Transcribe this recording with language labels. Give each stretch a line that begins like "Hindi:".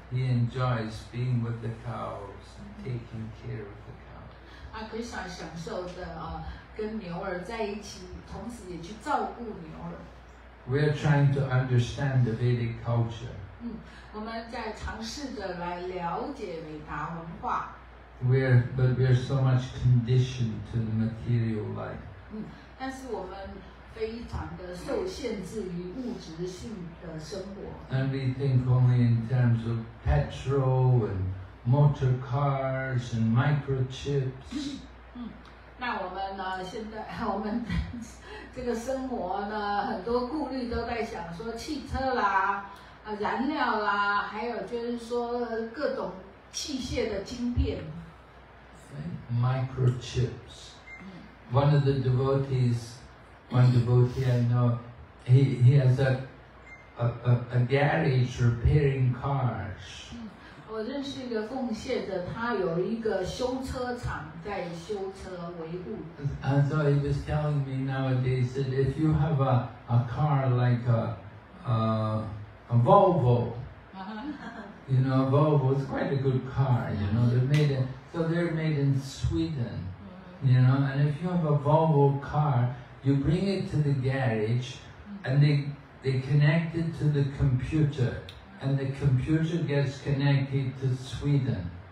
English: He enjoys being with the cows, taking care of the cows.
Chinese: And Krishna 享受着跟牛儿在一起，同时也去照顾牛儿。
English: We are trying to understand the Vedic culture.
Chinese: 我们在尝试着来了解韦达文化。
English: But we are so much conditioned to the material life.
Chinese: 但是我们非常的受限制于物质性的生活。
English: And we think only in terms of petrol and motor cars and microchips.
Chinese: 那我们呢？现在我们这个生活呢，很多顾虑都在想说汽车啦。燃料啦，还有就是说各种器械的晶片。
English: Microchips. One of the devotees, one devotee I know, he has a garage repairing cars.
Chinese: 我认识一个奉献的，他有一个修车厂在修车维护。
English: And so he was telling me nowadays that if you have a car like a Volvo, you know, a Volvo is quite a good car, you know, they're made in Sweden, you know, and if you have a Volvo car, you bring it to the garage, and they connect it to the computer, and the computer gets connected to Sweden.